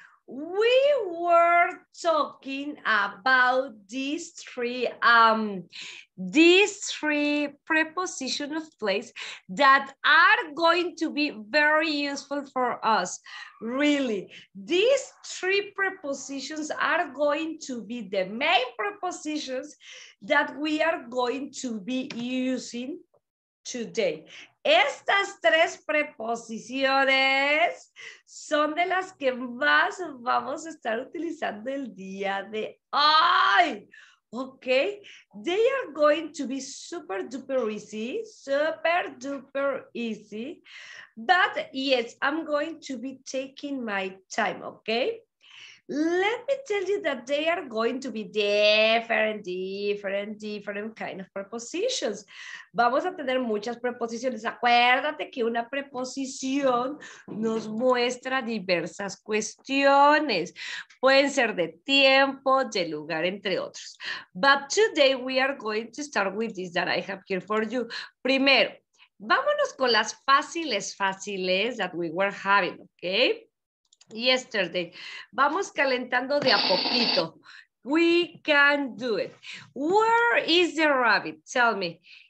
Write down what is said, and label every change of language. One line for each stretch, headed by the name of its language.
English: We were talking about these three prepositions of place that are going to be very useful for us. Really, these three prepositions are going to be the main prepositions that we are going to be using today.
Spanish: Estas tres preposiciones son de las que más vamos a estar utilizando el día de hoy.
English: Okay, they are going to be super duper easy, super duper easy. But yes, I'm going to be taking my time, okay? Let me tell you that they are going to be different kind of prepositions.
Spanish: Vamos a tener muchas preposiciones. Acuérdate que una preposición nos muestra diversas cuestiones. Pueden ser de tiempo, de lugar, entre otros.
English: But today we are going to start with this that I have here for you.
Spanish: Primero, vámonos con las fáciles
English: that we were having,
Spanish: okay?
English: Yesterday.
Spanish: Vamos calentando de a poquito.
English: We can do it. Where is the rabbit? Tell me.